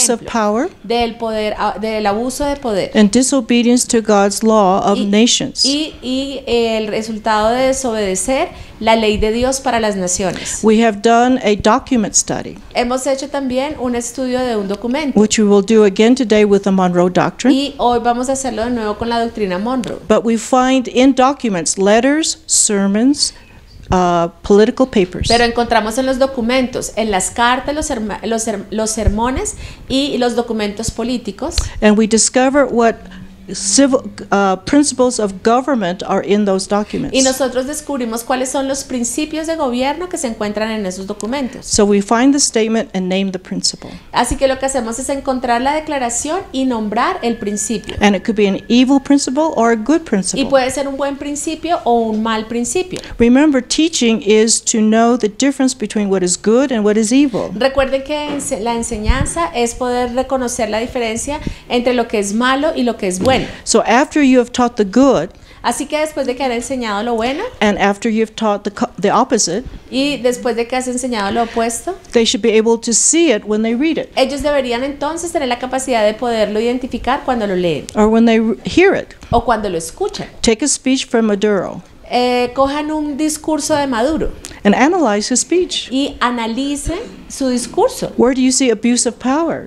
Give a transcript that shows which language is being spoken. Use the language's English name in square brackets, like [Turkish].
[English] Of abuse of power. [Spanish] Del poder, del abuso de poder. [English] And disobedience to God's law of nations. [Spanish] Y el resultado de desobedecer la ley de Dios para las naciones. [English] We have done a document study. [Spanish] Hemos hecho también un estudio de un documento. [English] Which we will do again today with the Monroe Doctrine. [Spanish] Y hoy vamos a hacerlo de nuevo con la doctrina Monroe. [English] But we find in documents, letters, sermons, political papers. [Spanish] Pero encontramos en los documentos, en las cartas, los sermones y los documentos políticos. [English] And we discover what civil principles of government are in those documents. [Spanish] Y nosotros descubrimos cuáles son los principios de gobierno que se encuentran en esos documentos. [English] So we find the statement and name the principle. [Spanish] Así que lo que hacemos es encontrar la declaración y nombrar el principio. [English] And it could be an evil principle or a good principle. [Spanish] Y puede ser un buen principio o un mal principio. [English] Remember, teaching is to know the difference between what is good and what is evil. [Spanish] Recuerden que la enseñanza es poder reconocer la diferencia entre lo que es malo y lo que es bueno. [English] So after you have taught the good, [Spanish] así que después de que has enseñado lo bueno, [English] and after you have taught the opposite, [Spanish] y después de que has enseñado lo opuesto, [English] they should be able to see it when they read it. [Spanish] Ellos deberían entonces tener la capacidad de poderlo identificar cuando lo leen, [English] or when they hear it, [Spanish] o cuando lo escuchan. [English] Take a speech from Maduro. [Spanish] Cojan un discurso de Maduro. [English] And analyze his speech. [Spanish] Y analice su discurso. [English] Where do you see abuse of power?